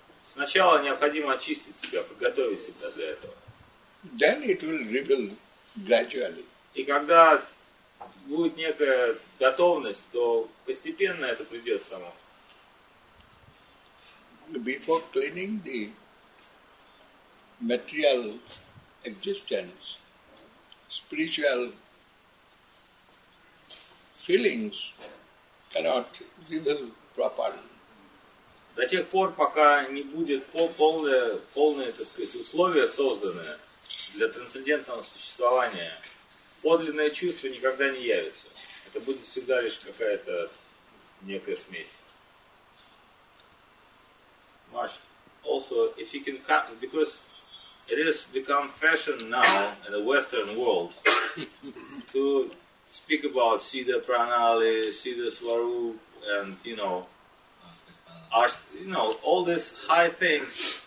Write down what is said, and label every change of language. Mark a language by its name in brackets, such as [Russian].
[Russian] Сначала необходимо очистить себя, подготовить себя для этого. [English] Then it will reveal gradually. [Russian] И когда будет некая готовность, то постепенно это придет само. [English] Before cleaning the material existence, spiritual feelings cannot reveal properly. [Russian] До тех пор, пока не будет полное, так сказать, условие созданное для трансцендентного существования, подлинное чувство никогда не явится. Это будет всегда лишь какая-то некая смесь. [English] Маш, also, if you can come, because it has become fashion now in the Western world to speak about Siddha Pranali, Siddha Swarup, and, you know, all these high things.